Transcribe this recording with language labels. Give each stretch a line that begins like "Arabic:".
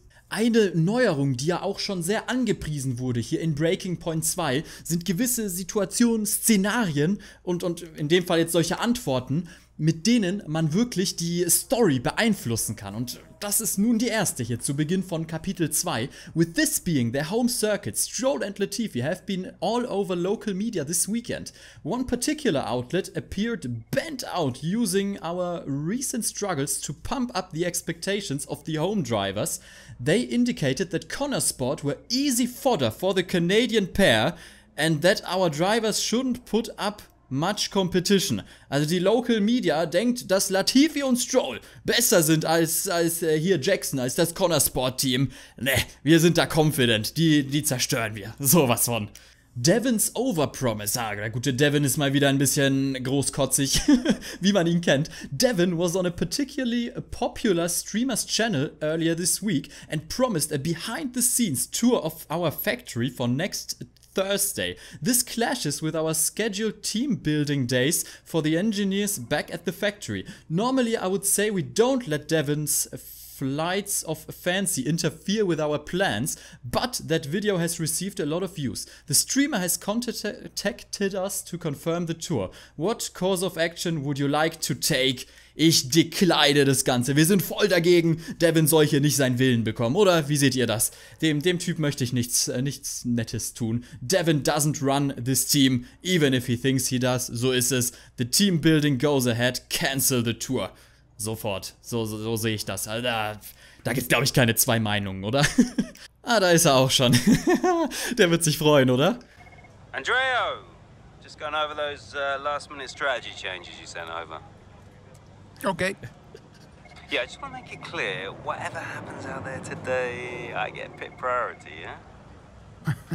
German: Eine Neuerung, die ja auch schon sehr angepriesen wurde hier in Breaking Point 2, sind gewisse Situationen, Szenarien und in dem Fall jetzt solche Antworten, mit denen man wirklich die Story beeinflussen kann. Und das ist nun die erste hier zu Beginn von Kapitel 2.
English: With this being their home circuit, Stroll and Latifi have been all over local media this weekend. One particular outlet appeared bent out using our recent struggles to pump up the expectations of the home drivers. They indicated that Connorsport were easy fodder for the Canadian pair and that our drivers shouldn't put up much competition.
German: Also die Local Media denkt, dass Latifi und Stroll besser sind als hier Jackson, als das Connorsport Team. Ne, wir sind da confident. Die zerstören wir. Sowas von.
English: Devins Overpromise.
German: Ah, der gute Devin ist mal wieder ein bisschen großkotzig, wie man ihn kennt.
English: Devin was on a particularly popular streamer's channel earlier this week and promised a behind-the-scenes tour of our factory for next Thursday. This clashes with our scheduled team building days for the engineers back at the factory. Normally I would say we don't let Devin's flights of fancy interfere with our plans, but that video has received a lot of views. The streamer has contacted us to confirm the tour. What course of action would you like to take?
German: Ich decline das Ganze. Wir sind voll dagegen. Devin soll hier nicht seinen Willen bekommen, oder? Wie seht ihr das? Dem Typ möchte ich nichts Nettes tun.
English: Devin doesn't run this team, even if he thinks he does.
German: So ist es.
English: The team building goes ahead. Cancel the tour.
German: Sofort. So sehe ich das. Alter, da gibt's, glaube ich, keine zwei Meinungen, oder? Ah, da ist er auch schon. Der wird sich freuen, oder?
English: Andrea, just gone over those last-minute strategy changes you sent over. Okay. Yeah, I just want to make it clear, whatever happens out there today, I get pit priority, yeah?